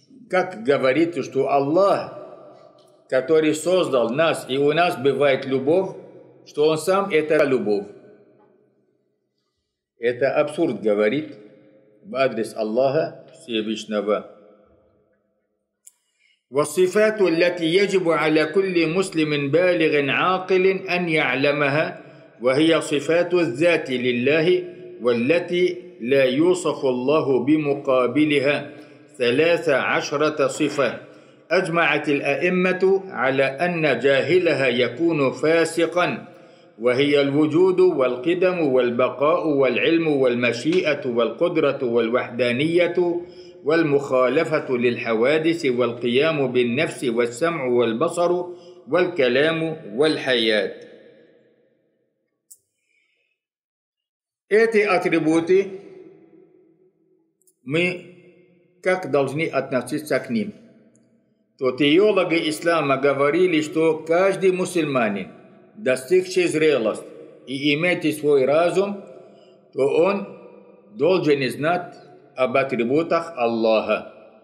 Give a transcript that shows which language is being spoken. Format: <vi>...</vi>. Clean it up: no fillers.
<ru>Как говорит, что Аллах, который создал нас, и у нас бывает любовь, что Он сам – это любовь. Это абсурд говорит в адрес Аллаха Всевышнего.</ru> <ar>وَصِفَاتُ الَّتِي يَجِبُ عَلَى كُلِّ مُسْلِمٍ بَالِغٍ عَاقِلٍ أَنْ يَعْلَمَهَا وَهِيَ صِفَاتُ الذَّاتِ لِلَّهِ وَالَّتِي لَا يُوصَفُ اللَّهُ بِمُقَابِلِهَا 13 صفة أجمعت الأئمة على أن جاهلها يكون فاسقا وهي الوجود والقدم والبقاء والعلم والمشيئة والقدرة والوحدانية والمخالفة للحوادث والقيام بالنفس والسمع والبصر والكلام والحياة.</ar> <ru>Эти атрибуты мы как должны относиться к ним? То теологи ислама говорили, что каждый мусульманин, достигший зрелости и имеющий свой разум, то он должен знать об атрибутах Аллаха.</ru>